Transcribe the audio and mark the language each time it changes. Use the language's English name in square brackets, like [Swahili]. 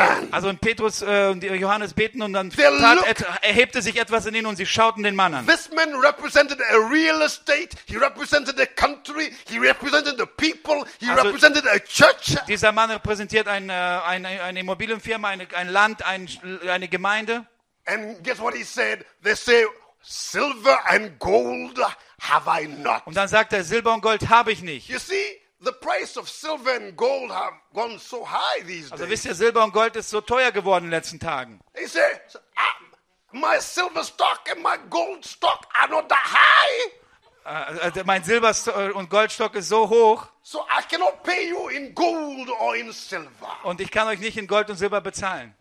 [German] Also in Petrus und Johannes beten und dann erhebte sich etwas in ihnen und sie schauten den Mann an. [English] This man represented a real estate, he represented a country, he represented the people, he represented a church. [German] Dieser Mann repräsentiert eine Immobilienfirma, ein Land, eine Gemeinde. [English] And guess what he said? They say, silver and gold have I not. [German] Und dann sagt er, Silber und Gold habe ich nicht. [English] You see, the price of silver and gold have gone so high these days. [German] Also wisst ihr, Silber und Gold ist so teuer geworden in den letzten Tagen. [English] He says, my silver stock and my gold stock are not that high. [German] Mein Silber- und Goldstock ist so hoch. [English] So I cannot pay you in gold or in silver. [German] Und ich kann euch nicht in Gold und Silber bezahlen.